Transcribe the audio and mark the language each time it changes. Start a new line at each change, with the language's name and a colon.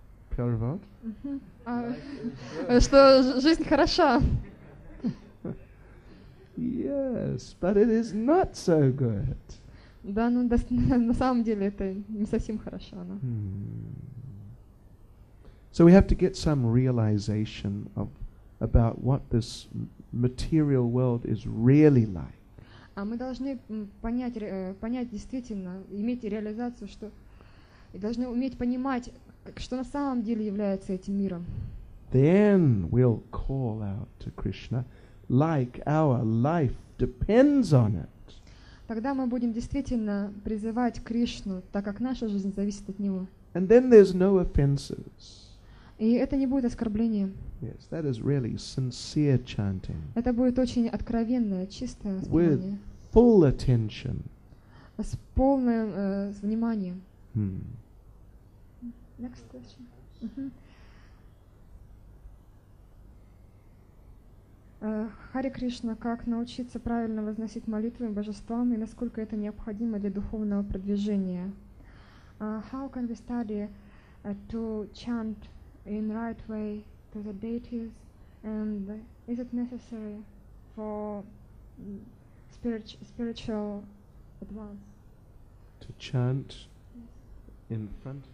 Russian: Перевод? Что жизнь хороша.
English: Yes, but it is not so good.
Russian: Да, ну на самом деле это не совсем хорошо.
English: So we have to get some realization of about what this material world is really like.
Russian: А мы должны понять действительно, иметь реализацию, что и должны уметь понимать, что на самом деле является этим миром.
English: Then we'll call out to Krishna, like our life depends on it.
Russian: Тогда мы будем действительно призывать Кришну, так как наша жизнь зависит от него.
English: And then there's no offenses.
Russian: И это не будет оскорблением.
English: Yes, that is really sincere chanting.
Russian: Это будет очень откровенное, чистое воспевание.
English: With full attention.
Russian: С полным вниманием. Hmm.
English: Next question.
Russian: Харе Кришна, как научиться правильно возносить молитвы божествам и насколько это необходимо для духовного продвижения?
English: How can we study to chant in right way to the deities, and is it necessary for spiritual advance? To chant in front?